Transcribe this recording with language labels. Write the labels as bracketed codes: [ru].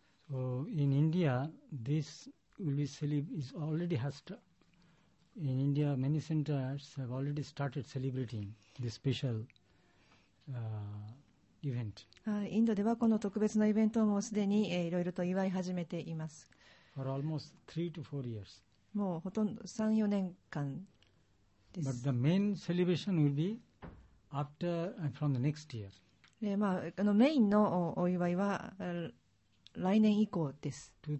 [en] So in India this will be celebrated, is already has to in India many centers have already started celebrating this special event. [ja] インドではこの特別なイベントもすでにいろいろと祝い始めています。 [en] For almost 3 to 4 years. [ja] もうほとんど 3-4 年間です。 [en] But the main celebration will be after from the next year. [ja] まあ、あのメインのお祝いは来年以降です。